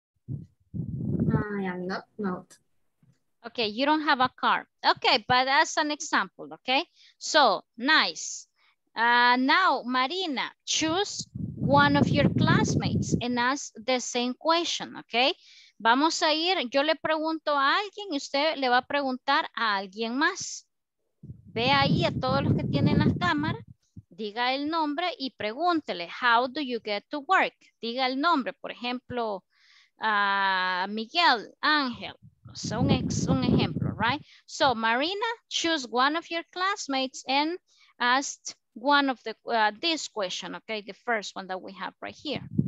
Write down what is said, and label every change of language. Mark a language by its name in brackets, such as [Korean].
[English] I am not, not. Okay, you don't have a car. Okay, but that's an example, okay? So, nice. Now, Marina, choose one of your classmates and ask the same question, okay? [Spanish] Vamos a ir, yo le pregunto a alguien y usted le va a preguntar a alguien más. Ve ahí a todos los que tienen las cámaras, diga el nombre y pregúntele, [English] how do you get to work? [Spanish] Diga el nombre, por ejemplo, Miguel, Ángel, un ejemplo, right? [English] So, Marina, choose one of your classmates and ask one of the, this question, okay? The first one that we have right here.